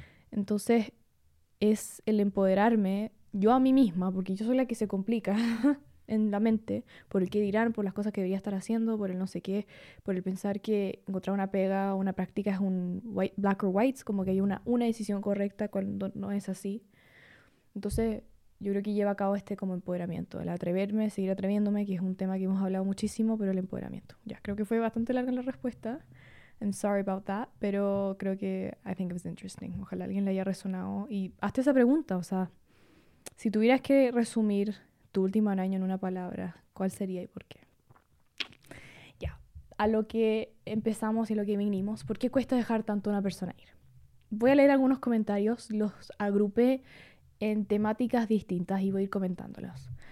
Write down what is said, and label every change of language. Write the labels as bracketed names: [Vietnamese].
[Spanish] Entonces, es el empoderarme yo a mí misma, porque yo soy la que se complica en la mente por el qué dirán, por las cosas que debería estar haciendo, por el no sé qué, por el pensar que encontrar una pega o una práctica es un [English] white, black or white, [Spanish] como que hay una decisión correcta cuando no es así. Entonces, yo creo que lleva a cabo este como empoderamiento, el atreverme, seguir atreviéndome, que es un tema que hemos hablado muchísimo, pero el empoderamiento. Ya, creo que fue bastante larga la respuesta. [English] I'm sorry about that, [Spanish] pero creo que [English] I think it was interesting. [Spanish] Ojalá alguien le haya resonado. Y hazte esa pregunta, o sea, si tuvieras que resumir tu último año en una palabra, ¿cuál sería y por qué? Ya, a lo que empezamos y a lo que vinimos, ¿por qué cuesta dejar tanto a una persona ir? Voy a leer algunos comentarios, los agrupé en temáticas distintas y voy a ir comentándolas.